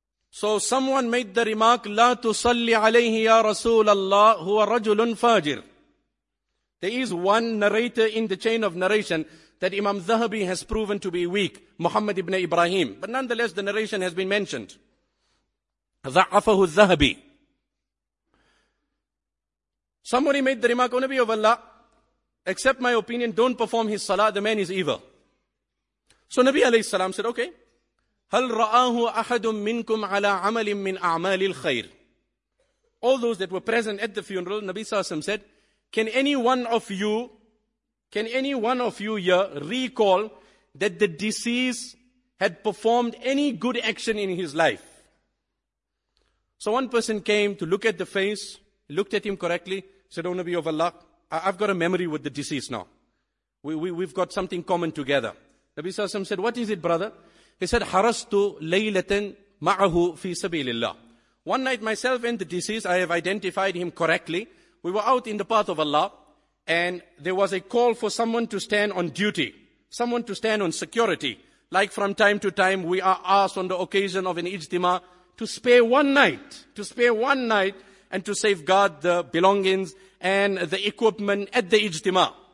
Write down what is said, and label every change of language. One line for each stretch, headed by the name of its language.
English: So someone made the remark,
Arabic: لا تصلي عليه يا رسول الله هو رجل فاجر.
English: There is one narrator in the chain of narration that Imam Zahabi has proven to be weak, Muhammad ibn Ibrahim. But nonetheless, the narration has been mentioned.
Arabic: ضعفه الذهبي.
English: Somebody made the remark, O Nabi of Allah, accept my opinion, don't perform his salah, the man is evil. So Nabi alayhi salam said, okay.
Arabic: هل رآه أحد منكم على عمل من أعمال الخير.
English: All those that were present at the funeral, Nabi Sassam said, can any one of you here recall that the deceased had performed any good action in his life? So one person came to look at the face, looked at him correctly, said, O Nabi of Allah, I've got a memory with the deceased now. We've got something common together. Nabi Sassam said, what is it, brother? He said,
Arabic: حَرَسْتُ لَيْلَةً مَعَهُ فِي سَبِيلِ اللَّهِ.
English: One night myself and the deceased, I have identified him correctly. We were out in the path of Allah, and there was a call for someone to stand on duty, someone to stand on security. Like from time to time, we are asked on the occasion of an ijtima to spare one night and to safeguard the belongings and the equipment at the ijtima.